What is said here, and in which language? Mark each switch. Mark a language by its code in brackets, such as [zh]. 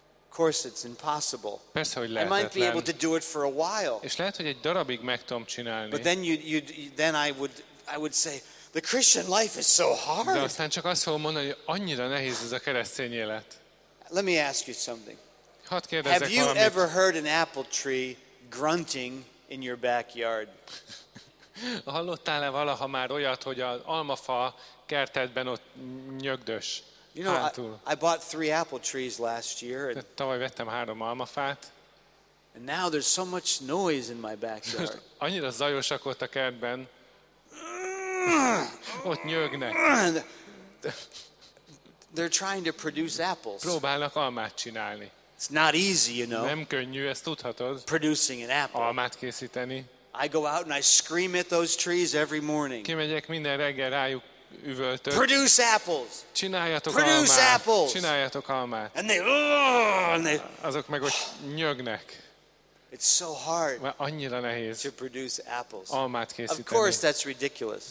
[en] Of course, it's impossible. [hu] Persze, hogy lehetetlen. [en] I might be able to do it for a while. [hu] És lehet, hogy egy darabig meg tudom csinálni. [en] But then I would say, The Christian life is so hard. [hu] De aztán csak azt fogom mondani, hogy annyira nehéz ez a keresztény élet. [en] Let me ask you something. [hu] Hadd kérdezzek [en] Have you [hu] valamit. [en] Ever heard an apple tree grunting in your backyard? [hu] Hallottál-e valaha már olyat, hogy az almafa kertedben ott nyögdös? [en] You know, I bought 3 apple trees last year. [hu] Tavaly vettem 3 almafát. [en] And now there's so much noise in my backyard. [hu] Annyira zajosak ott a kertben. Ott nyögnek. [en] They're trying to produce apples. [hu] Próbálnak almát csinálni. [en] It's not easy, you know. [hu] Nem könnyű, ezt tudhatod. [en] Producing an apple. [hu] Almát készíteni. [en] I go out and I scream at those trees every morning. [hu] Kimegyek minden reggel rájuk üvöltök. [en] Produce apples. [hu] Csináljatok [en] Produce [hu] almát. [en] Apples. [hu] Csináljatok almát. [en] And they... [hu] Azok meg ott nyögnek. [en] It's so hard. [hu] Mert annyira nehéz. [en] To produce apples. [hu] Almát készíteni. [en] Of course that's ridiculous.